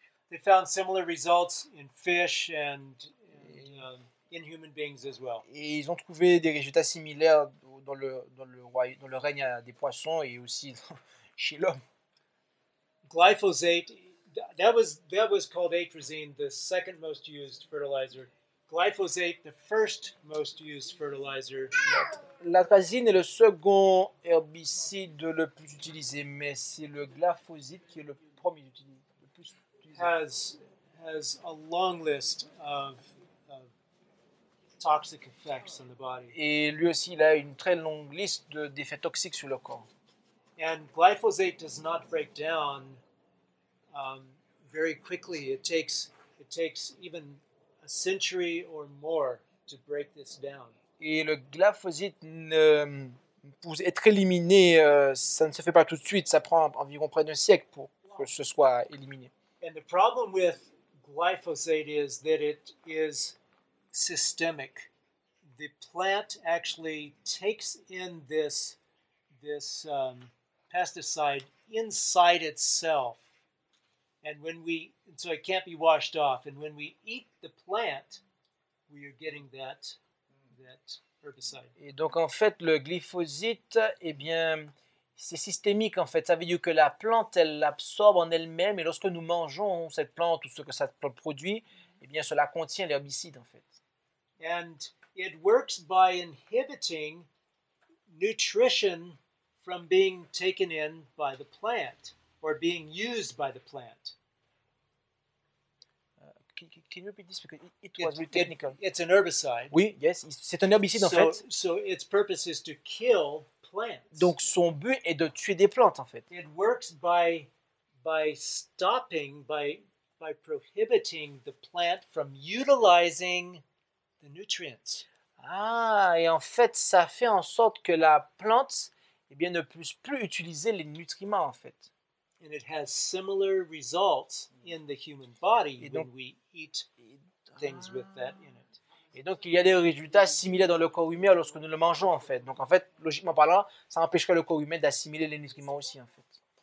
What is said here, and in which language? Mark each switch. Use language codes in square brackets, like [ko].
[en] They found similar results in fish and in human beings as well. [fr] Et ils ont trouvé des résultats similaires dans le règne des poissons et aussi chez l'homme. [en] Glyphosate. That was called atrazine, the second most used fertilizer. Glyphosate, the first most used fertilizer. [fr] L'atrazine est le second herbicide le plus utilisé, mais c'est le glyphosate qui est le premier utilisé, le plus utilisé. [en] Has a long list of toxic effects on the body. [fr] Et lui aussi, il a une très longue liste d'effets toxiques sur le corps. [en] And glyphosate does not break down. Very quickly, it takes even a century or more to break this down. [fr] Et le glyphosate pour être éliminé, ça ne se fait pas tout de suite. Ça prend environ près d'un siècle pour que ce soit éliminé. [en] And the problem with glyphosate is that it is systemic. the plant actually takes in this pesticide inside itself. And when we, so it can't be washed off. And when we eat the plant, we are getting that herbicide. [fr] Et donc en fait, le glyphosate, eh bien, c'est systémique en fait. Ça veut dire que la plante, elle l'absorbe en elle-même. Et lorsque nous mangeons cette plante ou ce que ça produit, eh bien, cela contient l'herbicide en fait. [en] And it works by inhibiting nutrition from being taken in by the plant. Or being used by the plant. Can you repeat this? Because it was really technical. It's an herbicide. [fr] Oui, yes, c'est un herbicide en fait. [en] So its purpose is to kill plants. [fr] Donc son but est de tuer des plantes en fait. [en] It works by stopping, by prohibiting the plant from utilizing the nutrients. [fr] Ah, et en fait, ça fait en sorte que la plante, eh bien, ne puisse plus utiliser les nutriments en fait. [en] And it has similar results in the human body donc, when we eat things with that in it. [fr] Et donc, il y a des résultats similaires dans le corps humain lorsque nous le mangeons, en fait. Donc, en fait, logiquement parlant, ça empêcherait le corps humain d'assimiler les nutriments aussi, en fait.